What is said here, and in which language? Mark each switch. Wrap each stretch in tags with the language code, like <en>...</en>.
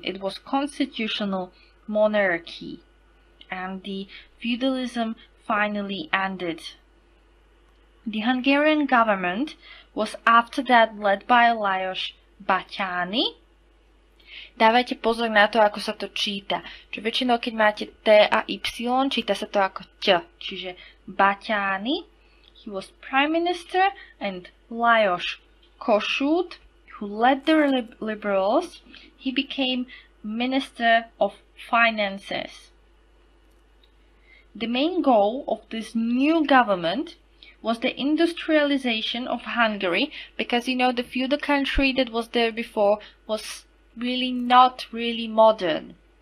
<en>It was constitutional monarchy, and the feudalism finally ended. The Hungarian government was after that led by Lajos Batthyány.</en> <sk>Dávajte pozor na to, ako sa to číta. Čo väčšinou, keď máte T a Y, číta sa to ako T, čiže Batthyány.</sk> <en>He was prime minister, and Lajos Kossuth, who led the liberals, he became minister of finances. The main goal of this new government was the industrialization of Hungary, because, you know, the feudal country that was there before was really not really modern.</en>